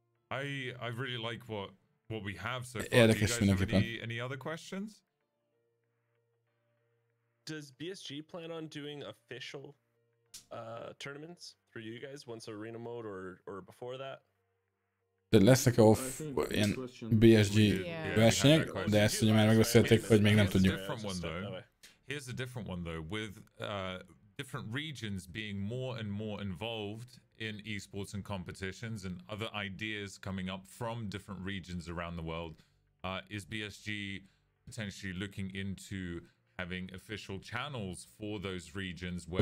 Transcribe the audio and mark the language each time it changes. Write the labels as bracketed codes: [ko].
[en] I really like what we have so far. Do you guys have any other questions? Does BSG plan on doing official tournaments for you guys once arena mode or before that? [hu] De lesznek a off ilyen BSG versenyek, de ezt ugye már megbeszélték, hogy még nem tudjuk. [en] Here's a different one though, with different regions being more and more involved in esports and competitions and other ideas coming up from different regions around the world. Is BSG potentially looking into having official channels for those regions where